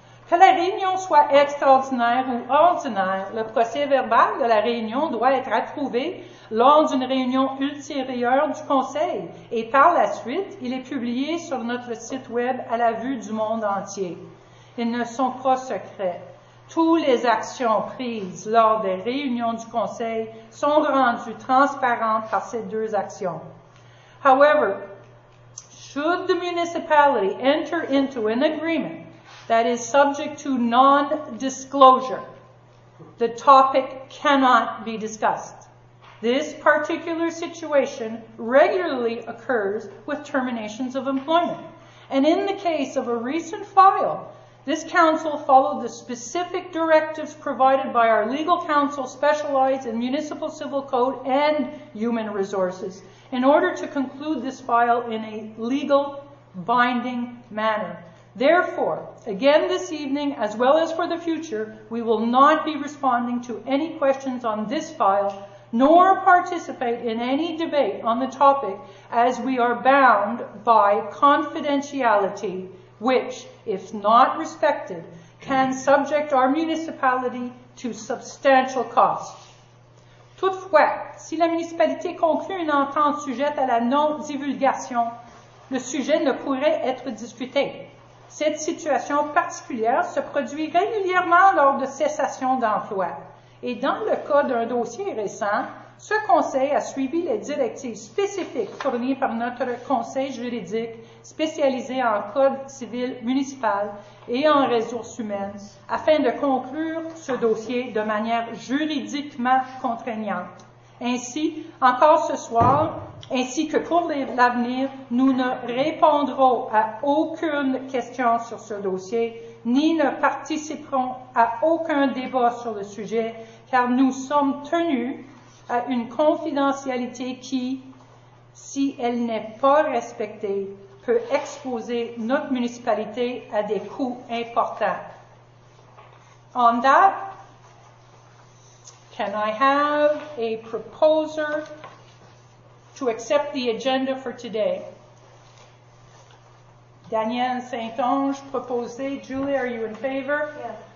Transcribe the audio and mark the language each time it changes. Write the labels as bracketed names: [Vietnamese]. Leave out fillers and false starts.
[French] Que la réunion soit extraordinaire ou ordinaire, le procès-verbal de la réunion doit être approuvé lors d'une réunion ultérieure du Conseil et par la suite, il est publié sur notre site Web à la vue du monde entier. Ils ne sont pas secrets. Toutes les actions prises lors des réunions du Conseil sont rendues transparentes par ces deux actions. [English] However, should the municipality enter into an agreement that is subject to non-disclosure, the topic cannot be discussed. This particular situation regularly occurs with terminations of employment. And in the case of a recent file, this council followed the specific directives provided by our legal counsel specialized in municipal civil code and human resources in order to conclude this file in a legal binding manner. Therefore, again this evening, as well as for the future, we will not be responding to any questions on this file, nor participate in any debate on the topic, as we are bound by confidentiality, which, if not respected, can subject our municipality to substantial costs. [French] Toutefois, si la municipalité conclut une entente sujette à la non-divulgation, le sujet ne pourrait être discuté. Cette situation particulière se produit régulièrement lors de cessations d'emploi. Et dans le cas d'un dossier récent, ce conseil a suivi les directives spécifiques fournies par notre conseil juridique spécialisé en code civil municipal et en ressources humaines afin de conclure ce dossier de manière juridiquement contraignante. Ainsi, encore ce soir, ainsi que pour l'avenir, nous ne répondrons à aucune question sur ce dossier, ni ne participerons à aucun débat sur le sujet, car nous sommes tenus à une confidentialité qui, si elle n'est pas respectée, peut exposer notre municipalité à des coûts importants. [English] On that, can I have a proposer to accept the agenda for today? Danielle Saint-Ange, proposé. Julie, are you in favor? Yes.